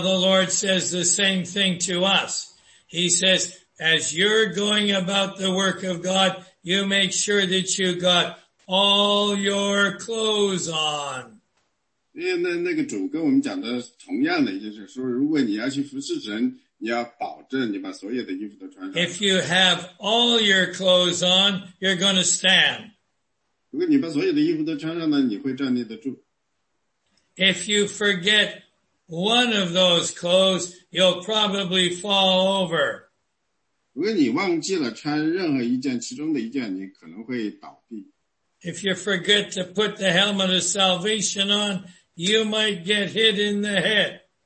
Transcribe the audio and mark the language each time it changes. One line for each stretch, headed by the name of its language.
English: the Lord says the same thing to us. He says, "As you're going about the work of God, you make sure that you got all your clothes on."
Chinese: 因为那个主跟我们讲的同样的意思，说如果你要去服侍神，你要保证你把所有的衣服都穿上。
English: If you have all your clothes on, you're going to stand.
Chinese: 如果你把所有的衣服都穿上了，你会站立得住。
English: If you forget one of those clothes, you'll probably fall over.
Chinese: 如果你忘记了穿任何一件，其中的一件，你可能会倒地。
English: If you forget to put the helmet of salvation on, you might get hit in the head.